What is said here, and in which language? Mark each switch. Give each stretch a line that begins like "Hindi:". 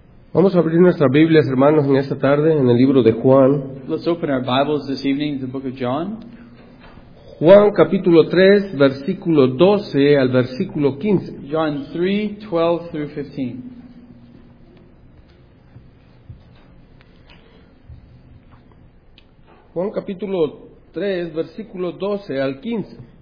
Spanish: Vamos a abrir nuestras Biblias, hermanos, en esta tarde, en el libro de Juan.
English: Let's open our Bibles this evening to the book of John.
Spanish: Juan capítulo 3, versículo 12 al versículo 15.
English: John 3, 12 through 15.
Spanish: Juan capítulo 3, versículo 12 al 15.